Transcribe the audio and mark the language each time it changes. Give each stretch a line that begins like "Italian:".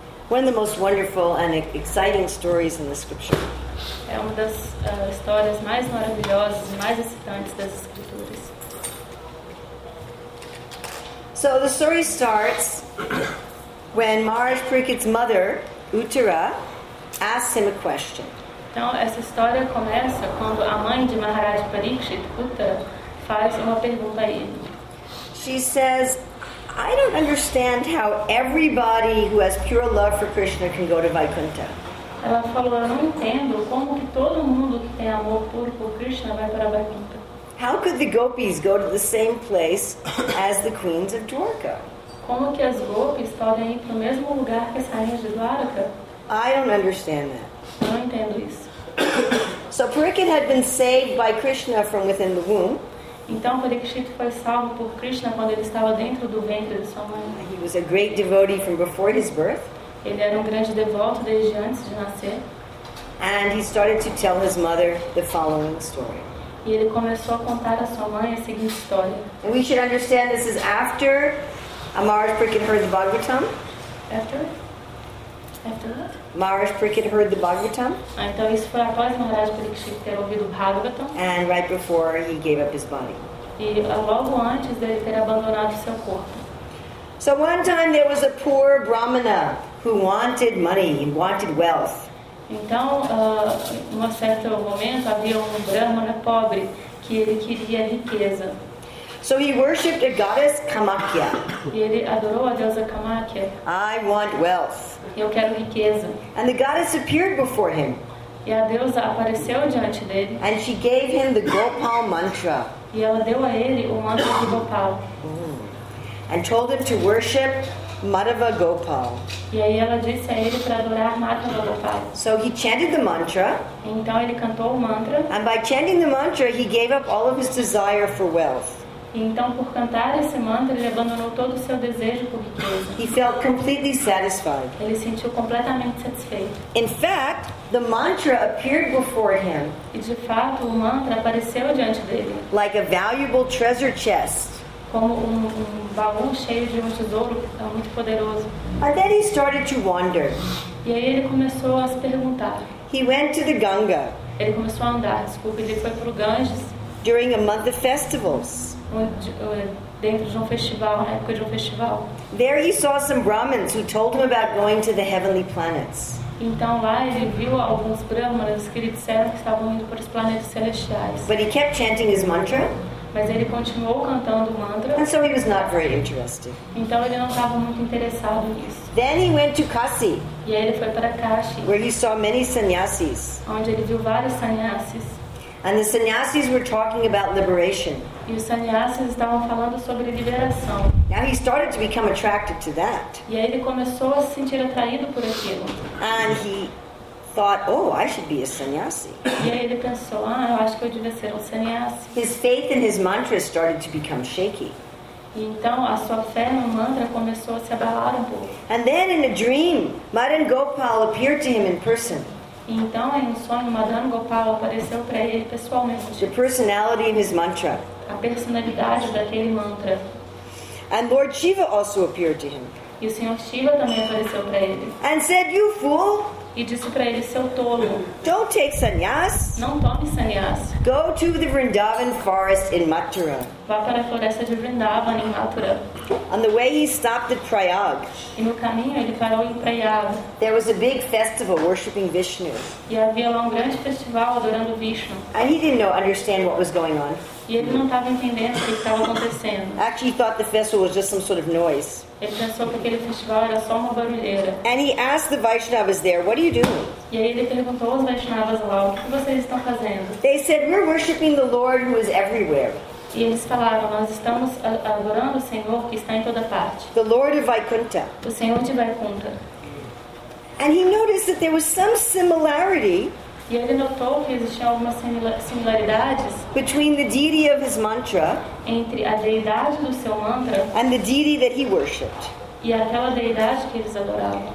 English: One of the most wonderful and exciting stories in the scripture.
Portuguese: É uma das histórias mais maravilhosas e mais excitantes das escrituras.
English: So the story starts when Maharaj Parikit's mother, Uttara, asks him a question.
Portuguese: Então essa história começa quando a mãe de Maharaj Parikit, Uttara, faz uma pergunta a ele.
English: She says, I don't understand how everybody who has pure love for Krishna can go to Vaikuntha.
Portuguese: Ela falou, eu não entendo como que todo mundo que tem amor puro por Krishna vai para Vaikuntha.
English: How could the gopis go to the same place as the queens of Dwarka?
Portuguese: Como que as gopis podem ir para o mesmo lugar que as rainhas de Dwarka?
English: I don't understand that.
Portuguese: Eu não entendo isso.
English: So Parikit had been saved by Krishna from within the womb.
Portuguese: Então Parikshit foi salvo por Krishna quando ele estava dentro do ventre de sua mãe.
English: He was a great devotee from before his birth.
Portuguese: Ele era um grande devoto desde antes de nascer.
English: And he started to tell his mother the following story.
Portuguese: E ele começou a contar a sua mãe a seguinte história.
English: And we should understand this is after Maharaj Parikit heard the Bhagavatam. After what? Maharaj Parikit heard the Bhagavatam.
Portuguese: Ah, então isso foi após Maharaj Parikit ter ouvido o Bhagavatam.
English: And right before he gave up his body.
Portuguese: E logo antes dele ter abandonado seu corpo.
English: So one time there was a poor Brahmana who wanted money, wanted wealth.
Portuguese: Então, num certo momento, havia Brahmana pobre que ele queria riqueza.
English: So he worshipped a goddess Kamakya.
Portuguese: E ele adorou a deusa Kamakya.
English: I want wealth.
Portuguese: Eu quero riqueza.
English: And the goddess appeared before him.
Portuguese: E a deusa apareceu diante dele.
English: And she gave him the Gopal mantra.
Portuguese: E ela deu a ele o mantra de Gopal.
English: And told him to worship Madhava Gopal.
Portuguese: E aí ela disse a ele para adorar Madhava Gopal.
English: So he chanted the mantra.
Portuguese: Então ele cantou o mantra.
English: And by chanting the mantra, he gave up all of his desire for wealth.
Portuguese: Então, por cantar esse mantra, ele abandonou todo o seu desejo por riqueza.
English: He felt completely satisfied.
Portuguese: Ele se sentiu completamente satisfeito.
English: In fact, the mantra appeared before him.
Portuguese: E de fato, o mantra apareceu diante dele.
English: Like a valuable treasure chest.
Portuguese: Como um baú cheio de um tesouro muito poderoso.
English: And then he started to wonder.
Portuguese: E aí ele começou a se perguntar.
English: He went to the Ganga.
Portuguese: Ele começou a andar. Desculpa, ele foi para o Ganges.
English: During a month of festivals.
Portuguese: Dentro de um festival, na época de um festival.
English: There he saw some Brahmins who told him about going to the heavenly planets.
Portuguese: Então lá ele viu alguns Brahmanas que lhe disseram que estavam indo para os planetas celestiais.
English: But he kept chanting his mantra.
Portuguese: Mas ele continuou cantando o mantra.
English: And so he was not very interested.
Portuguese: Então ele não estava muito interessado nisso.
English: Then he went to Kashi.
Portuguese: E aí ele foi para Kashi.
English: Where he saw many sannyasis.
Portuguese: Onde ele viu vários sannyasis.
English: And the sannyasis were talking about liberation.
Portuguese: E os sannyasis estavam falando sobre liberação.
English: Now he started to become attracted to that.
Portuguese: E aí ele começou a se sentir atraído por aquilo.
English: And he thought, oh, I should be a sannyasi.
Portuguese: E aí ele pensou, ah, eu acho que eu devia ser um sannyasi.
English: His faith in his mantra started to become shaky.
Portuguese: E então a sua fé no mantra começou a se abalar um pouco.
English: And then in a dream, Madan Gopal appeared to him in person.
Portuguese: Então, em um sonho, Madan Gopal apareceu para ele pessoalmente.
English: The personality of his mantra.
Portuguese: A personalidade daquele mantra.
English: And Lord Shiva also appeared to him.
Portuguese: E o Senhor Shiva também apareceu para ele.
English: And said, "You fool."
Portuguese: E disse para ele, seu tolo.
English: Don't take sannyas.
Portuguese: Não tome sannyas.
English: Go to the Vrindavan forest in Mathura.
Portuguese: Vá para a floresta de Vrindavan em Mathura.
English: On the way, he stopped at Prayag.
Portuguese: E no caminho, ele parou em Prayag.
English: There was a big festival worshiping Vishnu.
Portuguese: E havia lá um grande festival adorando Vishnu.
English: And he didn't know, understand what was going on.
Portuguese: E ele não estava entendendo o que estava acontecendo.
English: Actually, he thought the festival was just some sort of noise.
Portuguese: Ele pensou que aquele festival era só uma barulheira.
English: And he asked the Vaishnavas there, what are you doing?
Portuguese: E aí ele perguntou aos Vaishnavas lá, o que vocês estão fazendo?
English: They said, we're worshiping the Lord who is everywhere.
Portuguese: E eles falaram, nós estamos adorando o Senhor que está em toda parte.
English: The Lord of Vaikuntha.
Portuguese: O Senhor de Vaikuntha.
English: And he noticed that there was some similarity
Portuguese: E ele notou que existiam algumas similaridades
English: between the deity of his mantra
Portuguese: entre a deidade do seu mantra
English: and the deity that he worshipped.
Portuguese: E aquela deidade que eles adoravam.